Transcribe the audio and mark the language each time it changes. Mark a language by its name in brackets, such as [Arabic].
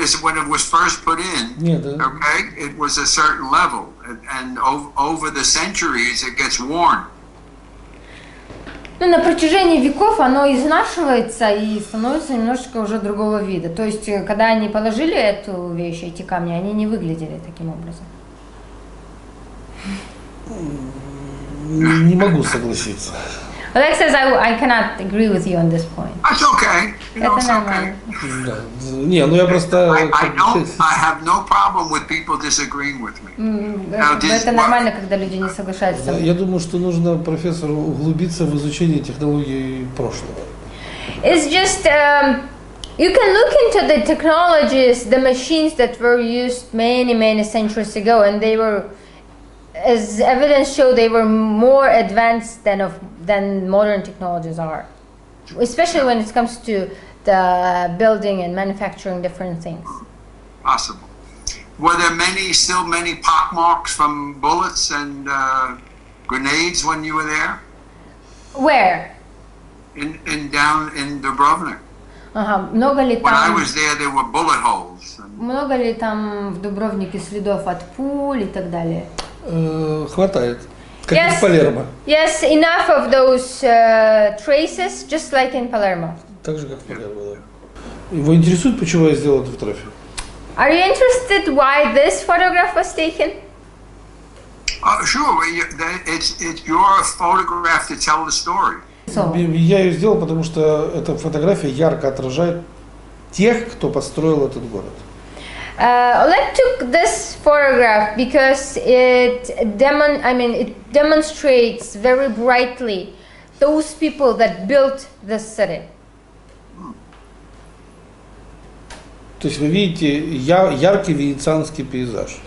[English] Is when it was first put in, okay, it was a certain level, and over the centuries it gets worn. [Russian] Ну, на протяжении веков оно изнашивается и становится немножечко уже другого вида. То есть, когда они положили эту вещь, эти камни, они не выглядели таким образом. Не могу согласиться. [English] Alex says I cannot agree with you on this point. That's okay. It's okay. [Russian] Не, ну я просто. [English] I have no problem with people disagreeing with me. [Russian] Это нормально, когда люди не соглашаются. Я думаю, что нужно профессору углубиться в изучение технологии прошлого. [English] It's just you can look into the technologies, the machines that were used many centuries ago, and they were. As evidence show, they were more advanced than modern technologies are, especially when it comes to the building and manufacturing different things. Possible. Were there still many pock marks from bullets and grenades when you were there? Where? In down in Dubrovnik. [Russian] Много ли там? [English] When I was there were bullet holes. [Russian] Много ли там в Дубровнике следов от пуль и так далее? Хватает, как в Палермо. [English] Yes, enough of those traces, just like in Palermo. [Russian] Так же, как в Палермо, да. Его интересует, почему я сделал эту фотографию? [English] Are you interested why this photograph was taken? Sure, it's your photograph to tell the story. [Russian] Я ее сделал, потому что эта фотография ярко отражает тех, кто построил этот город. [English] Oleg took this photograph because it demonstrates very brightly those people that built this city. [Russian] То есть вы видите яркий венецианский пейзаж.